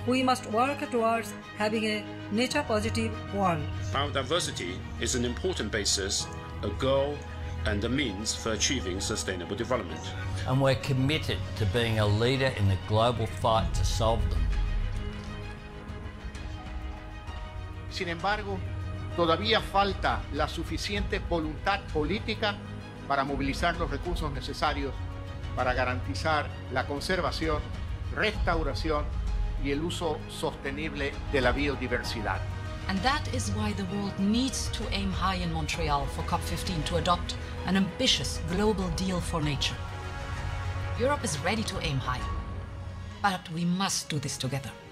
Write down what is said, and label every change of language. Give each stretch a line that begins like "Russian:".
English: We must work towards having a nature-positive world. Biodiversity is an important basis, a goal, and a means for achieving sustainable development. And we're committed to being a leader in the global fight to solve them.
Spanish: Sin embargo, todavía falta la suficiente voluntad política para movilizar los recursos necesarios para garantizar la conservación, restauración y el uso sostenible de la biodiversidad.
English: And that is why the world needs to aim high in Montreal for COP15 to adopt an ambitious global deal for nature. Europe is ready to aim high, but we must do this together.